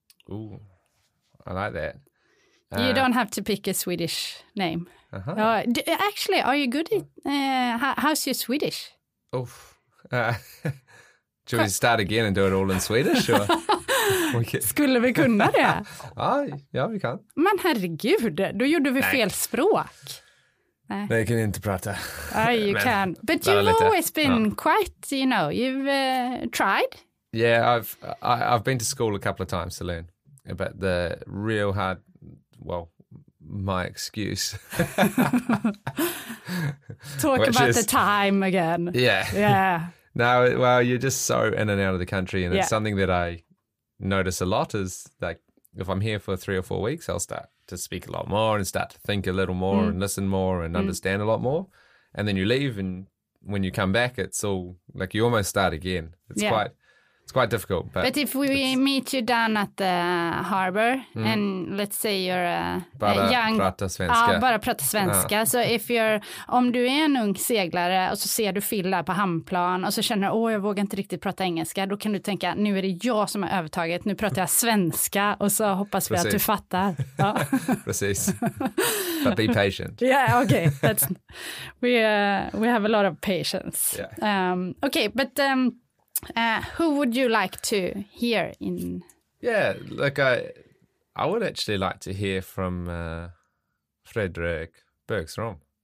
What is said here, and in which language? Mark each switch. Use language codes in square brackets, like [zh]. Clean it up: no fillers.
[en] Ooh, I like that. You don't have to pick a Swedish name. Uh-huh. Actually, are you good at... how's your Swedish? Oof. Should we start again and do it all in Swedish? Or? [sv] Skulle vi kunna det? Ja, vi kan. Men herregud, då gjorde vi fel språk. Nej, jag kan inte prata. [en] You can. But you've always been quite, you've tried. Yeah, I've been to school a couple of times to learn. But the real hard, well, my excuse. Talk about the time again. Yeah. Yeah. No, well, you're just so in and out of the country. And it's something that I notice a lot is, like, if I'm here for 3 or 4 weeks, I'll start to speak a lot more and start to think a little more and listen more and understand a lot more. And then you leave, and when you come back, it's all like you almost start again. It's quite It's quite difficult. But if we meet you down at the harbor, mm. and let's say you're a, [sv] bara [en] a young... [sv] Bara prata svenska. Ja, bara prata svenska. Ja. Så [en] if you're, [sv] om du är en ung seglare och så ser du Filla på hamnplan och så känner du, jag vågar inte riktigt prata engelska, då kan du tänka, nu är det jag som har övertaget, nu pratar jag svenska och så hoppas vi att du fattar. Ja. Precis. [en] But be patient. Yeah, okay. That's, we have a lot of patience. Yeah. Okay, but... who would you like to hear in? Yeah, look, I would actually like to hear from Fredrik Bergstrom.